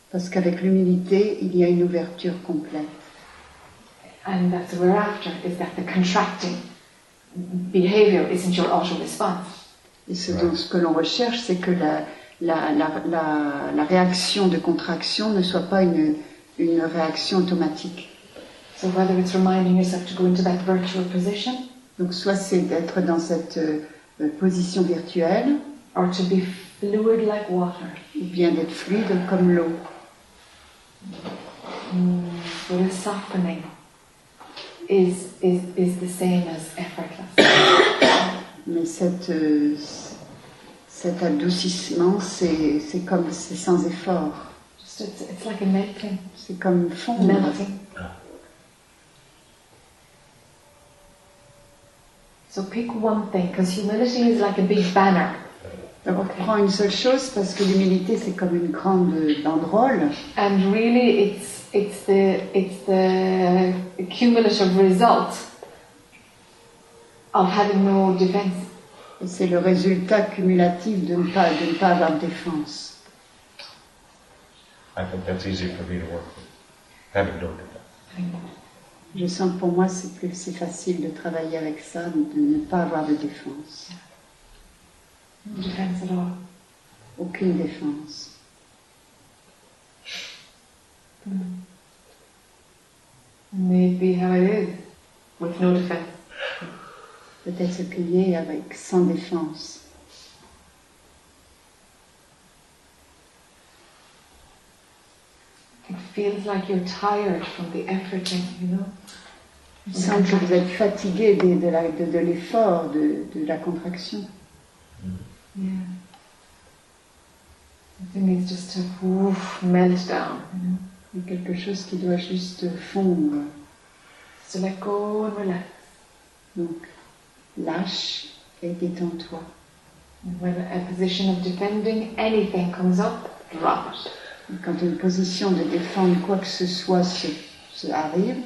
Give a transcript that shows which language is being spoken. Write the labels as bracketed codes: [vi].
[fr] Parce qu'avec l'humilité, il y a une ouverture complète. [en] And that's what we're after, is that the contracting behavior isn't your auto response. [fr] Et ce que l'on recherche, c'est que la réaction de contraction ne soit pas une réaction automatique. [en] So whether it's reminding yourself to go into that virtual position. [fr] Donc soit c'est d'être dans cette position virtuelle. [en] Or to be fluid like water. [fr] Ou bien d'être fluide comme l'eau. [en] But a softening is the same as effortless. [fr] Mais cet adoucissement, c'est comme c'est sans effort. [en] Just it's like a melting. [fr] C'est comme fondre. [en] Melting. So pick one thing, because humility is like a big banner. [fr] Donc, okay. Prends une seule chose, parce que l'humilité, c'est comme une grande banderole. [en] And really, it's the cumulative result of having no defense. [fr] Et c'est le résultat cumulatif de ne pas avoir de défense. [en] I think that's easier for me to work with, having no defense. [fr] Je sens que pour moi, c'est facile de travailler avec ça, de ne pas avoir de défense. [en] No defense at all. [fr] Aucune défense. [en] Maybe how it is, with no defense. [fr] Peut-être qu'il y ait avec sans défense. [en] It feels like you're tired from the effort, you know? [fr] Il semble que vous êtes fatigué de l'effort, de la contraction. [en] Yeah. I think it's just a meltdown. [fr] Il y a quelque chose qui doit juste fondre. [en] So let go and relax. [fr] Donc, lâche et détends-toi. [en] When a position of defending anything comes up, drop it. [fr] Et quand une position de défendre quoi que ce soit se arrive,